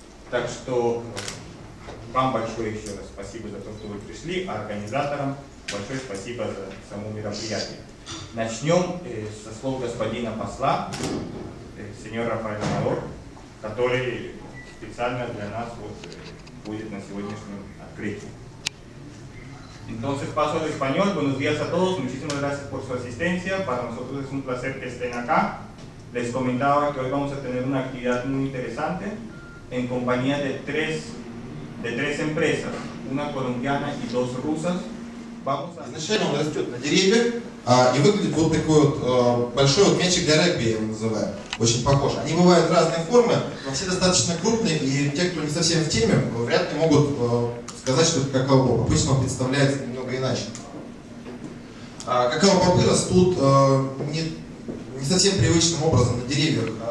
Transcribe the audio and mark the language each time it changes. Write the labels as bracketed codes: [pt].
[ru] Так что вам большое еще раз спасибо за то, что вы пришли, а организаторам большое спасибо за само мероприятие. Начнем со слов господина посла, сеньор Рафаэль Малор, который специально для нас вот будет на сегодняшнем открытии. [es] Entonces paso al español. Buenos días a todos. Muchísimas gracias por su asistencia. Para nosotros es un placer que estén acá. Les comentaba que hoy vamos a tener una actividad muy interesante en compañía de tres empresas, una colombiana y dos rusas. [ru] Изначально он растет на деревьях и выглядит вот такой вот большой вот мячик для регби, я его называю, очень похож. Они бывают разные формы, но все достаточно крупные, и те, кто не совсем в теме, вряд ли могут сказать, что это какао. Обычно он представляется немного иначе. Какао-попы растут не совсем привычным образом на деревьях.